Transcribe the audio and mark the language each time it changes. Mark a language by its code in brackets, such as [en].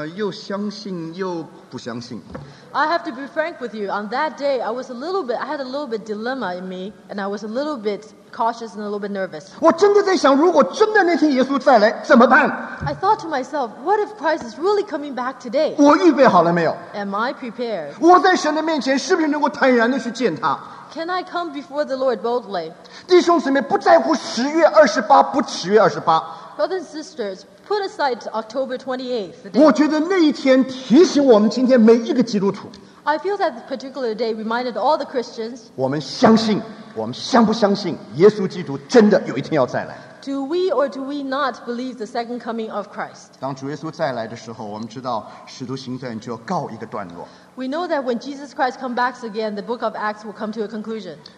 [zh] 我很坦白地说，我当天有一点点矛盾，有一点点紧张，有一点点这个又相信又不相信。 [en] I have to be frank with you. On that day, I had a little bit dilemma in me, and I was a little bit cautious and a little bit nervous. [zh] 我真的在想，如果真的那天耶稣再来，怎么办？ [en] I thought to myself, what if Christ is really coming back today? [zh] 我预备好了没有？ [en] Am I prepared? [zh] 我在神的面前是不是能够坦然地去见他？ [en] Can I come before the Lord boldly? [zh] 弟兄姊妹，不在乎10月28不10月28。 [en] Brothers and sisters, put aside October 28th. [zh] 我觉得那一天提醒我们今天每一个基督徒。 [en] I feel that this particular day reminded all the Christians. [zh] 我们相信，我们相不相信耶稣基督真的有一天要再来？ [en] Do we or do we not believe the second coming of Christ? [zh] 当主耶稣再来的时候，我们知道使徒行传就要告一个段落。 [en] We know that when Jesus Christ comes back again, the book of Acts will come to a conclusion.